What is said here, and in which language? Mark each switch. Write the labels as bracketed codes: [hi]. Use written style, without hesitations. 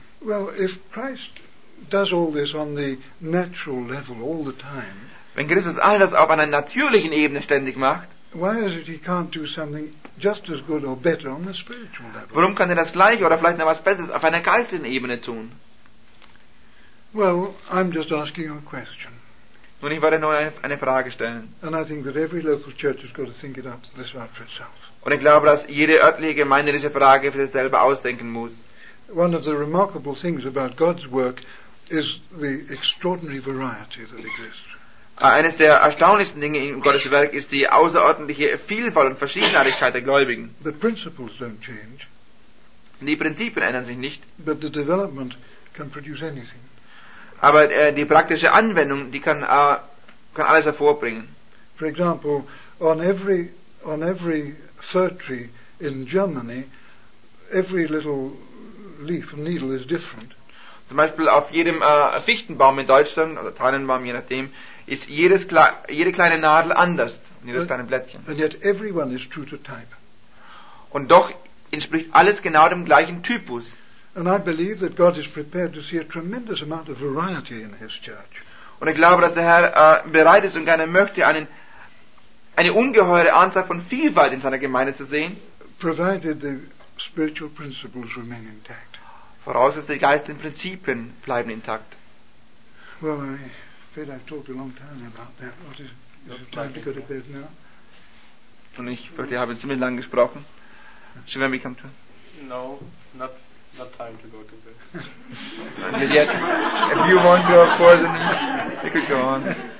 [en] Well, if Christ does all this on the natural level all the time, [de] wenn Christus all das auf einer natürlichen Ebene ständig macht, [en] why is it he can't do something just as good or better on the spiritual level? [de] Warum kann er das gleiche oder vielleicht noch was Besseres auf einer geistigen Ebene tun? [en] Well, I'm just asking a question. [de] Nun, ich werde nur eine Frage stellen. [en] And I think that every local church has got to think it up this out for itself. [de] Und ich glaube, dass jede örtliche Gemeinde diese Frage für sich selber ausdenken muss. [en] One of the remarkable things about God's work is the extraordinary variety that exists. [de] Eines der erstaunlichsten Dinge in Gottes Werk ist die außerordentliche Vielfalt und Verschiedenartigkeit der Gläubigen. [en] The principles don't change. [de] Die Prinzipien ändern sich nicht. [en] But the development can produce anything. [de] Aber die praktische Anwendung, die kann alles hervorbringen. [en] For example, on every fir tree in Germany, every little leaf and needle is different. [de] Zum Beispiel auf jedem Fichtenbaum in Deutschland, oder Tannenbaum, je nachdem, ist jede kleine Nadel anders, jedes kleine Blättchen. [en] And yet everyone is true to type. [de] Und doch entspricht alles genau dem gleichen Typus. [en] And I believe that God is prepared to see a tremendous amount of variety in his church. [de] Und ich glaube, dass der Herr bereit ist und gerne möchte, eine ungeheure Anzahl von Vielfalt in seiner Gemeinde zu sehen. [en] Provided the spiritual principles remain intact. [de] Vorausgesetzt, die geistigen Prinzipien bleiben intakt. [en] Well, I feel I've talked a long time about that. What is it time to go to bed now? [de] Und ich fürchte, ich habe ziemlich lang gesprochen. [en] Should we come to? No, not time to go to bed. But yet, if you want to, of course, then you could go on.